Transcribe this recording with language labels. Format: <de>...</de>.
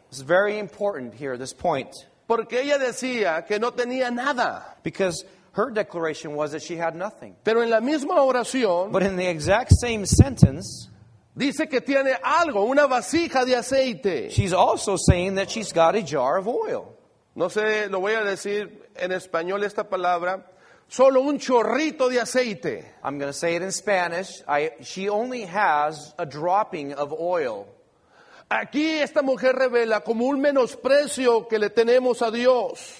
<en>It's very important here, this point.</en> <es>Porque ella decía que no tenía nada.</es> <en>Because her declaration was that she had nothing.</en> <es>Pero en la misma oración,</es> <en>but in the exact same sentence,</en> <es>dice que tiene algo, una vasija de aceite.</es> <en>She's also saying that she's got a jar of oil.</en> <es>No sé, lo voy a decir en español esta palabra. Solo un chorrito de aceite.</es> <en>I'm going to say it in Spanish. She only has a dropping of oil.</en> <es>Aquí esta mujer revela como un menosprecio que le tenemos a Dios.</es>